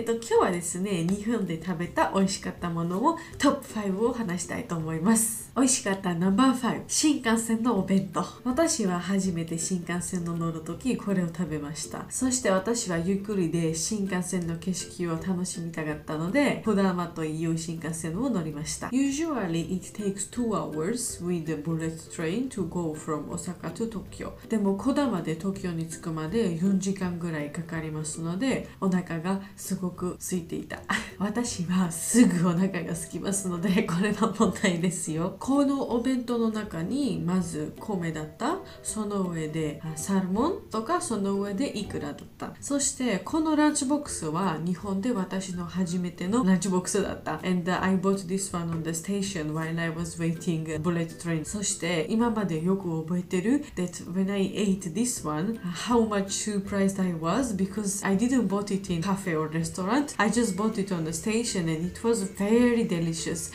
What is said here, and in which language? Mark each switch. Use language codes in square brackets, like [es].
[ja] 今日はですね、日本で食べた美味しかったものをトップ5を話したいと思います。美味しかったナンバー5、新幹線のお弁当。私は初めて新幹線の乗る時これを食べました。そして私はゆっくりで新幹線の景色を楽しみたかったので、こだまという新幹線を乗りました。 [en] Usually it takes 2 hours with the bullet train to go from Osaka to Tokyo。 [ja] でもこだまで東京に着くまで4時間ぐらいかかりますので、お腹がすごく空いていた。私はすぐお腹が空きますので、これは問題ですよ。このお弁当の中にまず米だった、その上でサルモンとか、その上でイクラだった。そしてこのランチボックスは日本で私の初めてのランチボックスだった。 [en] And I bought this one on the station while I was waiting bullet train。 [ja] そして今までよく覚えてる [en] That when I ate this one, how much surprised I was because I didn't bought it in cafe or restaurant. I just bought it on the station and it was very delicious.